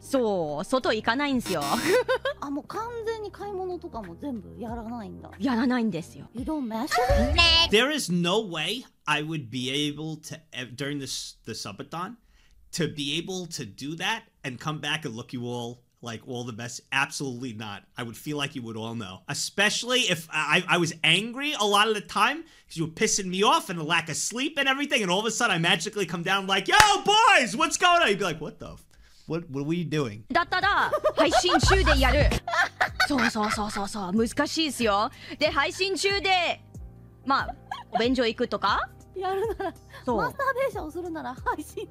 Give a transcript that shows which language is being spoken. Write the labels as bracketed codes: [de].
[ja] So, 外行かないんすよ。あ、もう完全に買い物とかも全部やらないんだ。やらないんですよ。 [en] You don't mess with me? There is no way I would be able to, during the subathon, to be able to do that and come back and look you all, like, all the best. Absolutely not. I would feel like you would all know. Especially if I was angry a lot of the time, because you were pissing me off and the lack of sleep and everything, and all of a sudden I magically come down like, yo, boys, what's going on? You'd be like, what the f-? What are we doing? [ja] だったら配信中でやる。そうそうそうそうそう難しいですよ。で配信中でまあお便所行くとかやるならそうマスターベーションするなら配信